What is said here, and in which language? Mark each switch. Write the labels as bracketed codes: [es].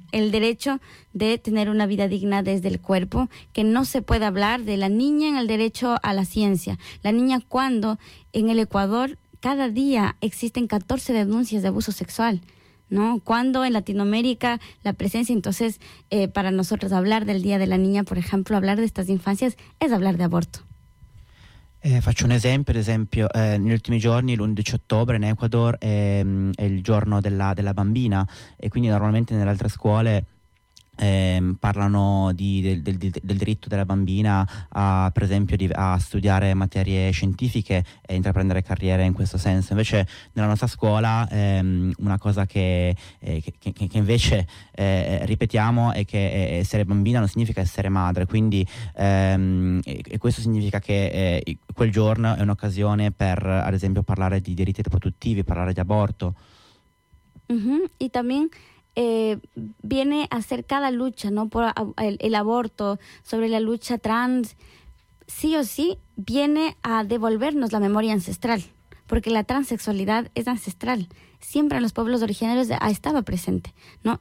[es] El derecho de tener una vida digna desde el cuerpo, que no se puede hablar de la niña en el derecho a la ciencia. La niña, cuando en el Ecuador cada día existen 14 denuncias de abuso sexual, ¿no? Cuando en Latinoamérica la presencia, entonces para nosotros hablar del Día de la Niña, por ejemplo, hablar de estas infancias, es hablar de aborto. [it] Faccio un esempio, negli ultimi giorni, l'11 ottobre in Ecuador è il giorno della bambina, e quindi normalmente nelle altre scuole parlano del diritto della bambina a, per esempio, a studiare materie scientifiche e intraprendere carriere in questo senso. Invece nella nostra scuola una cosa che invece ripetiamo è che essere bambina non significa essere madre, quindi e questo significa che quel giorno è un'occasione per, ad esempio, parlare di diritti riproduttivi, parlare di aborto. [es] E también viene a ser cada lucha, ¿no? Por el aborto, sobre la lucha trans, sí o sí viene a devolvernos la memoria ancestral, porque la transexualidad es ancestral, siempre en los pueblos originarios estaba presente, ¿no?